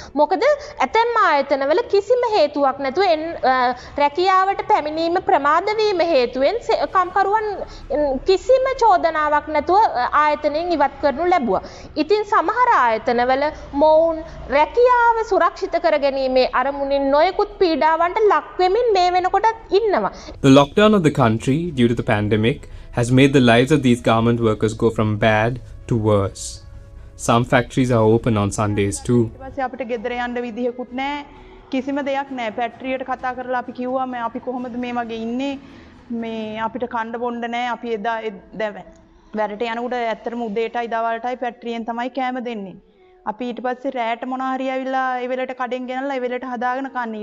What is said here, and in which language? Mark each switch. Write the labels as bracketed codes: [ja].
[si] මොකද ඇතැම් ආයතනවල කිසිම හේතුවක් නැතුව රැකියාවට පැමිණීම ප්‍රමාද වීම හේතුවෙන් කම්කරුවන් කිසිම චෝදනාවක් නැතුව ආයතනයෙන් ඉවත් කරනු ලැබුවා. ඉතින් සමහර ආයතනවල මොවුන් රැකියාව සුරක්ෂිත කරගැනීමේ අරමුණින් නොයෙකුත් පීඩාවන්ට ලක් වෙමින් මේ වෙනකොටත් ඉන්නවා. [en] The lockdown of the country due to the pandemic has made the lives of these garment workers go from bad to worse. Some factories are open on Sundays too. [si] ඊපස්සේ අපිට ගෙදර යන්න විදිහකුත් නැහැ. කිසිම දෙයක් නැහැ. ෆැක්ටරියට කතා කරලා අපි කිව්වා මේ අපි කොහොමද මේ වගේ ඉන්නේ? මේ අපිට කන්න බොන්න නැහැ. අපි එදා වැරට යනකොට ඇත්තටම උදේටයි දවල්ටයි ෆැක්ටරියෙන් තමයි කෑම දෙන්නේ. අපි ඊට පස්සේ රැට මොනා හරි ආවිල්ලා ඒ වෙලට කඩෙන් ගෙනල්ලා ඒ වෙලට හදාගෙන කන්නේ.